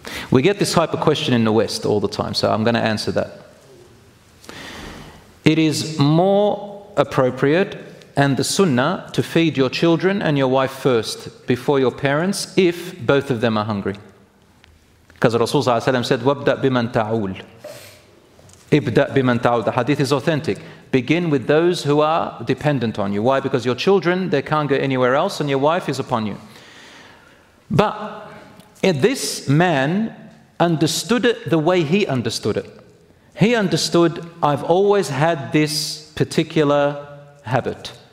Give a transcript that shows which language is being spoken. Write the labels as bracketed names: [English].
[English] We get this type of question in the West all the time, so I'm going to answer that. It is more appropriate and the sunnah to feed your children and your wife first before your parents if both of them are hungry. Because Rasulullah ﷺ said, [Arabic] وَابْدَأْ بِمَنْ تَعُولُ إِبْدَأْ بِمَنْ تَعُولُ. [English] The hadith is authentic. Begin with those who are dependent on you. Why? Because your children, they can't go anywhere else and your wife is upon you. But this man understood it the way he understood it. He understood, I've always had this particular habit.